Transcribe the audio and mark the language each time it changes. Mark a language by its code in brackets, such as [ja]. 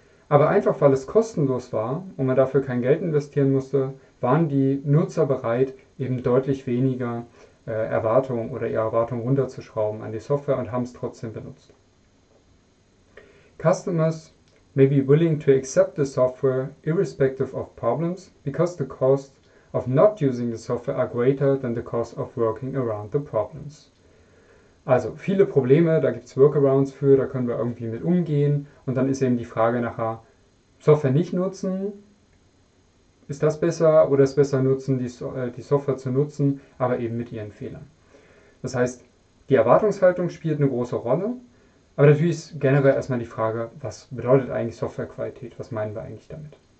[de] Aber einfach weil es kostenlos war und man dafür kein Geld investieren musste, waren die Nutzer bereit, eben deutlich weniger Erwartungen oder ihre Erwartungen runterzuschrauben an die Software und haben es trotzdem benutzt. [en] Customers may be willing to accept the software irrespective of problems because the cost of not using the software are greater than the cost of working around the problems. [de] Also viele Probleme, da gibt es Workarounds für, da können wir irgendwie mit umgehen. Und dann ist eben die Frage nachher, Software nicht nutzen, ist das besser oder ist besser nutzen, die Software zu nutzen, aber eben mit ihren Fehlern. Das heißt, die Erwartungshaltung spielt eine große Rolle. Aber natürlich ist generell erstmal die Frage, was bedeutet eigentlich Softwarequalität? Was meinen wir eigentlich damit?